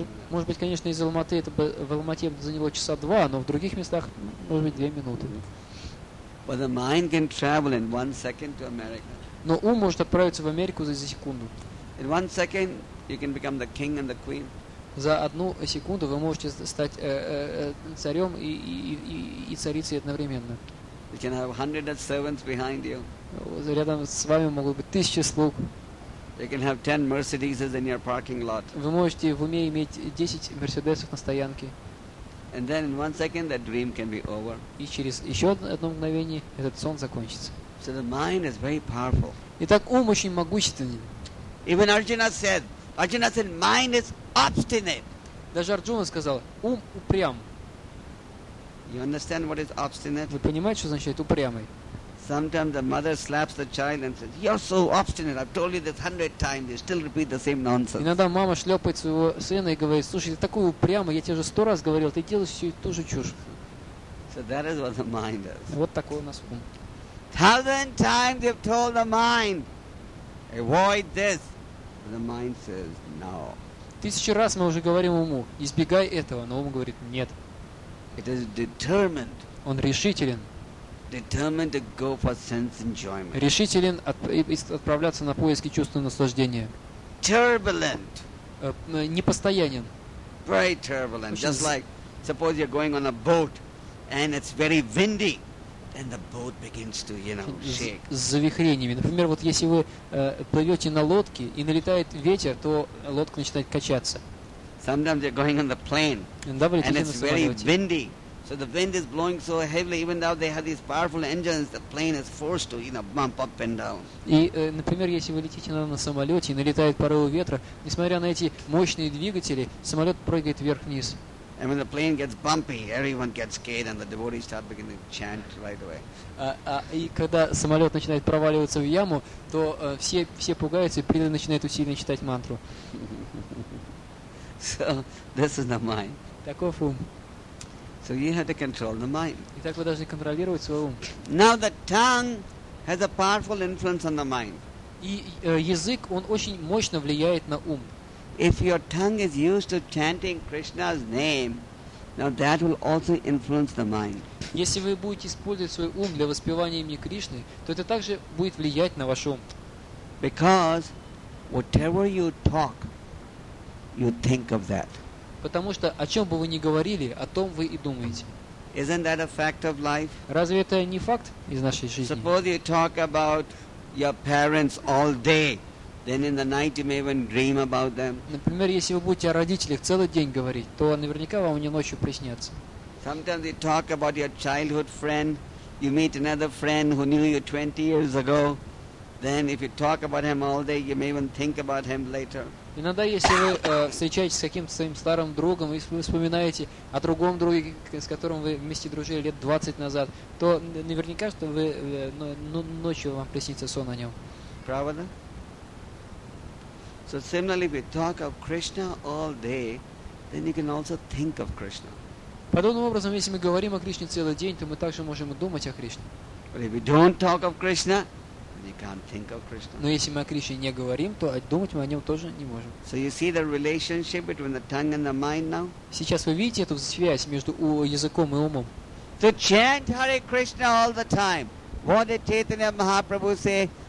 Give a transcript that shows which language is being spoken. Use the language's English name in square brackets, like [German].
[Russian] Может быть, конечно, из Алматы это бы в Алмате это заняло часа два, но в других местах, может быть, две минуты. [English] But the mind can travel in 1 second to America. [Russian] Но ум может отправиться в Америку за секунду. [English] In 1 second. You can become the king and the queen. [Russian] За одну секунду вы можете стать царем и царицей одновременно. [English] You can have hundreds of servants behind you. [Russian] Рядом с вами могут быть тысячи слуг. [English] You can have 10 Mercedes in your parking lot. [Russian] Вы можете в уме иметь 10 Мерседесов на стоянке. [English] And then in 1 second that dream can be over. [Russian] И через еще одно мгновение этот сон закончится. [English] So the mind is very powerful. [Russian] Итак, ум очень могущественен. [English] Even Arjuna said, mind is obstinate. [Russian] Даже Арджуна сказал, ум упрям. [English] You understand what is obstinate? [Russian] Вы понимаете, что значит упрямый? [English] Sometimes the mother slaps the child and says, "You're so obstinate. I've told you this 100 times. You still repeat the same nonsense." [Russian] Иногда мама шлепает своего сына и говорит, "Слушай, ты такой упрямый. Я тебе уже 100 раз говорил, ты делаешь всю ту же чушь." [English] So that is what the mind is. [Russian] Вот такой у нас ум. [English] 1,000 times they've told the mind, avoid this. The mind says no. [Russian] 1000 раз мы уже говорим уму, избегай этого, но ум говорит нет. [English] It is determined. [Russian] Он решителен. [English] Determined to go for sense enjoyment. [Russian] Решителен отправляться на поиски чувства наслаждения. [English] Turbulent. [Russian] Непостоянен. [English] Very turbulent. Just like suppose you're going on a boat and it's very windy. And the boat begins to, you know, shake. [Russian] С завихрениями. Например, вот если вы плывете на лодке и налетает ветер, то лодка начинает качаться. [English] Sometimes you're going on the plane, and it's very windy. So the wind is blowing so heavily, even though they have these powerful engines, the plane is forced to, you know, bump up and down. [Russian] И, например, если вы летите на самолете и налетает порывы ветра, несмотря на эти мощные двигатели, самолет прыгает вверх-вниз. [English] And when the plane gets bumpy, everyone gets scared, and the devotees start beginning to chant right away. [Russian] И когда самолет начинает проваливаться в яму, то все пугаются, и преданные начинают усиленно читать мантру. [English] So this is the mind. [Russian] Таков ум. [English] So you have to control the mind. [Russian] Итак, вы должны контролировать свой ум. [English] Now the tongue has a powerful influence on the mind. [Russian] И язык, он очень мощно влияет на ум. [English] If your tongue is used to chanting Krishna's name, now that will also influence the mind. [Russian] Если вы будете использовать свой ум для воспевания имени Кришны, то это также будет влиять на ваш ум. [English] Because whatever you talk, you think of that. [Russian] Потому что о чем бы вы ни говорили, о том вы и думаете. [English] Isn't that a fact of life? [Russian] Разве это не факт из нашей жизни? [English] Suppose you talk about your parents all day. Then in the night you may even dream about them. [Russian] Например, если вы будете о родителях целый день говорить, то наверняка вам не ночью приснятся. [English] Sometimes you talk about your childhood friend. You meet another friend who knew you 20 years ago. Then if you talk about him all day, you may even think about him later. [Russian] Иногда, если вы встречаетесь с каким-то своим старым другом, и вы вспоминаете о другом друге, с которым вы вместе дружили лет 20 назад, то наверняка, что вы ночью вам приснится сон о нем. Правда? [English] So similarly, if you talk of Krishna all day, then you can also think of Krishna. [Russian] Подобным образом, если мы говорим о Кришне целый день, то мы также можем думать о Кришне. [English] But if you don't talk of Krishna, then you can't think of Krishna. [Russian] Но если мы о Кришне не говорим, то думать мы о нем тоже не можем. [English] So you see the relationship between the tongue and the mind now? [Russian] Сейчас вы видите эту связь между языком и умом? [English] To chant Hare Krishna all the time. What did Chaitanya Mahaprabhu say?